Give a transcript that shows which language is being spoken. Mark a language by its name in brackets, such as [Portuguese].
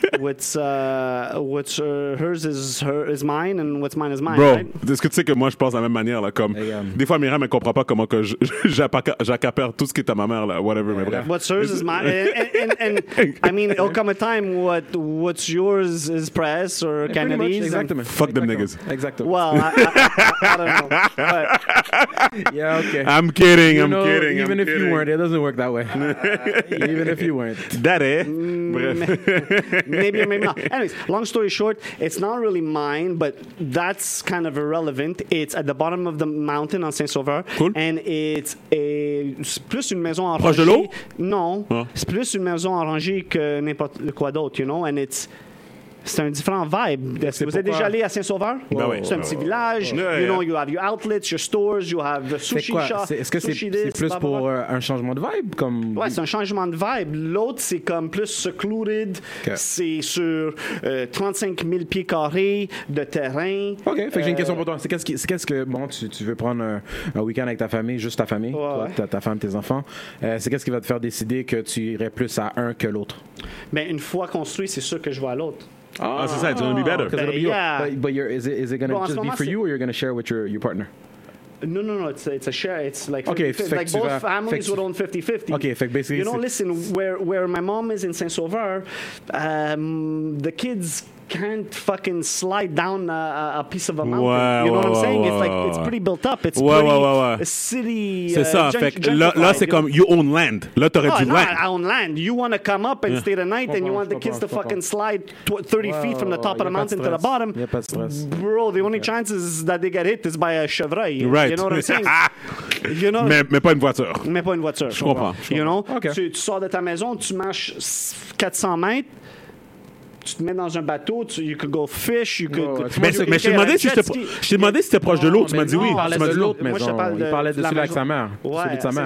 [English] What's hers is mine, and what's mine is mine, bro, right? [French] Bro, est-ce que tu sais que moi, je pense de la même manière, là, comme... Hey, des fois, Miriam, elle comprend pas comment que j'accapère tout ce qui est à ma mère, là, [English] whatever, yeah, [French] mais bref. [English] What's hers is mine, and I mean, it'll come a time what's yours is press or yeah, Kennedy's. Exactly. Fuck them niggas. Exactly. Well, I don't know, but... Yeah, okay. I'm kidding. You I'm know, kidding. Even I'm if kidding. You weren't, it doesn't work that way. even if you weren't. That eh? Maybe or maybe not. Anyways, long story short, it's not really mine, but that's kind of irrelevant. It's at the bottom of the mountain on Saint-Sauveur. Cool. And it's a [French] plus une maison en proche de l'eau? Non. C'est plus une maison arrangée que n'importe quoi d'autre, [English] you know? And it's... [French] C'est un différent vibe. Est-ce que vous êtes déjà allé à Saint-Sauveur? Ben oui. C'est un petit village. [English] Ouais, you know, you have your outlets, your stores, you have the sushi shop. [French] Est-ce que c'est plus pour un changement de vibe? Comme... Ouais, c'est un changement de vibe. L'autre, c'est comme plus secluded. Okay. C'est sur 35 000 pieds carrés de terrain. OK, fait que j'ai une question pour toi. C'est qu'est-ce que, bon, tu veux prendre un week-end avec ta famille, juste ta famille, ouais. Toi, ta femme, tes enfants. C'est qu'est-ce qui va te faire décider que tu irais plus à un que l'autre? Ben, une fois construit, c'est sûr que je vais à l'autre. [English] Oh, so it's going to be better. It'll be yeah. But is it going to just be for you, or you're going to share with your partner? No. It's a share. It's like 50, okay, like both families would own 50-50. Okay, fact, basically. You know, listen, where my mom is in Saint-Sauveur, the kids can't fucking slide down a piece of a mountain. [French] Ouais, [English] you know [French] ouais, [English] what I'm saying? [French] Ouais, [English] it's [French] ouais, [English] like it's pretty built up. It's [French] ouais, [English] pretty [French] ouais, ouais, [English] a city. [French] C'est ça. Là, c'est comme [English] you own land. [French] Là, t'aurais du land. [English] I own land. You want to come up and yeah. stay the night, and you want the kids to fucking slide 30 feet from the top of the mountain to the bottom. [French] Y a pas de stress. [English] Bro, the only chances that they get hit is by a chevreuil. Right. You know what I'm saying? You know. [French] Mais pas une voiture. Mais pas une voiture. Je comprends. [English] You know. Okay. [French] Tu sors de ta maison, tu marches 400 mètres. Tu te mets dans un bateau, [English] you could go fish, you could. [French] Mais je t'ai demandé si t'es proche de l'eau, tu m'as dit oui. Tu m'as dit l'autre maison. Il parlait de celui avec sa mère. Ouais, celui de sa mère.